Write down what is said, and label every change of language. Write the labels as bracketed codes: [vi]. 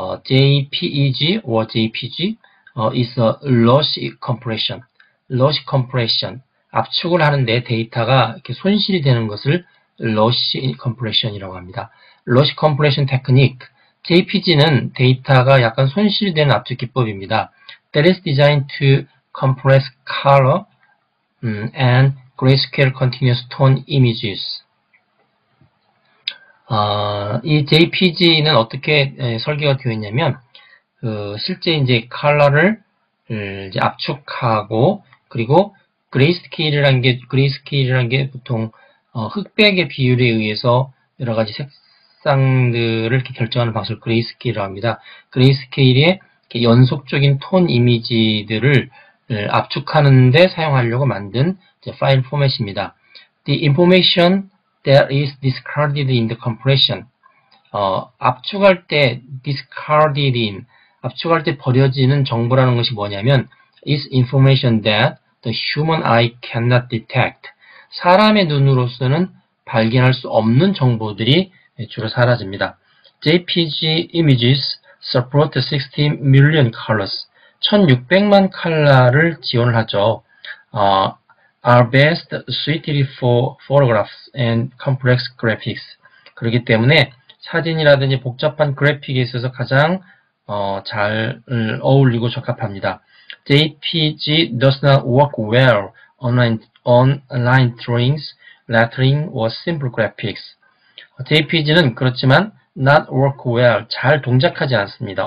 [en] JPEG or JPG, is a lossy compression. Lossy compression. [ko] 압축을 하는데 데이터가 이렇게 손실이 되는 것을 lossy compression이라고 합니다. [en] Lossy compression technique. [ko] JPG는 데이터가 약간 손실되는 압축 기법입니다. [en] That is designed to compress color and grayscale continuous tone images. [ko] 이 JPG는 어떻게 설계가 되어 있냐면, 실제 이제 컬러를 이제 압축하고, 그리고 그레이스케일이라는 게 보통 흑백의 비율에 의해서 여러 가지 색상들을 이렇게 결정하는 방식을 그레이스케일이라고 합니다. 그레이스케일의 연속적인 톤 이미지들을 압축하는데 사용하려고 만든 이제 파일 포맷입니다. [en] The information that is discarded in the compression. [ko] 압축할 때 discarded in, 압축할 때 버려지는 정보라는 것이 뭐냐면 [en] is information that The human eye cannot detect. [ko] 사람의 눈으로서는 발견할 수 없는 정보들이 주로 사라집니다. [en] JPG images support 60 million colors. [ko] 1600만 컬러를 지원을 하죠. [en] Are best suited for photographs and complex graphics. [ko] 그렇기 때문에 사진이라든지 복잡한 그래픽에 있어서 가장 잘 어울리고 적합합니다. [en] JPG does not work well online drawings, lettering, or simple graphics. [ko] JPG는 그렇지만 not work well, 잘 동작하지 않습니다.